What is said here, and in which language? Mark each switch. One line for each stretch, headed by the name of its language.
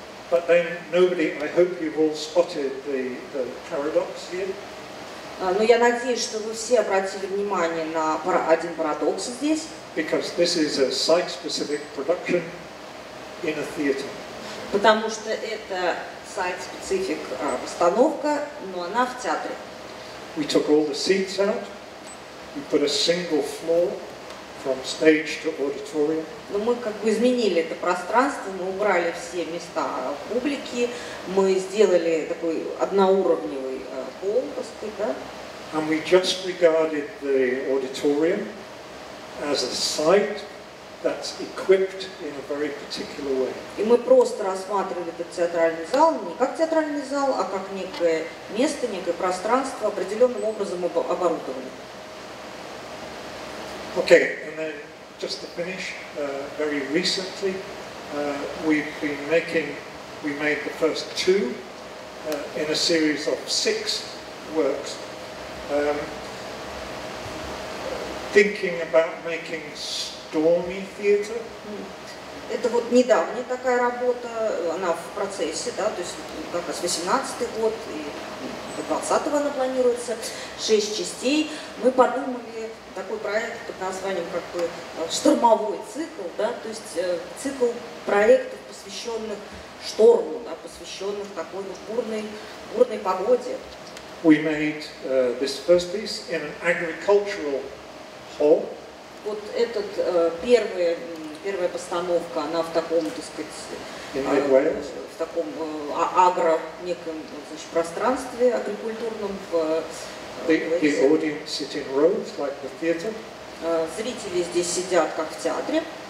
English: But then nobody, I hope you've all spotted the paradox here.
Russian: Но я надеюсь, что вы все обратили внимание на один парадокс здесь.
English: Because this is a site-specific production in a theater.
Russian: Потому что это site-specific постановка, но она в театре.
English: We took all the seats out. We put a single floor from stage to auditorium.
Russian: Но мы как бы изменили это пространство, мы убрали все места публики, мы сделали такой одноуровневый пол, так сказать, да?
English: And we just regarded the auditorium as a site that's equipped in a very particular way.
Russian: И мы просто рассматривали этот театральный зал не как театральный зал, а как некое место, некое пространство определенным образом оборудовали.
English: Okay, and then just to finish, very recently we made the first two in a series of six works. Thinking about making stormy theatre.
Russian: Это вот недавняя такая работа, она в процессе, да, то есть как раз 18-й год и до 20-го она планируется, 6 частей. Мы подумали такой проект под названием как бы штормовой цикл, да, то есть цикл проектов, посвященных шторму, да, посвященных такой вот бурной погоде.
English: We made this first piece in an agricultural hall.
Russian: Вот этот первая постановка, она в таком, так сказать, в таком агро неком, значит, пространстве агрикультурном.
English: The audience sit in rows like the theatre.
Russian: Зрители здесь сидят как в театре.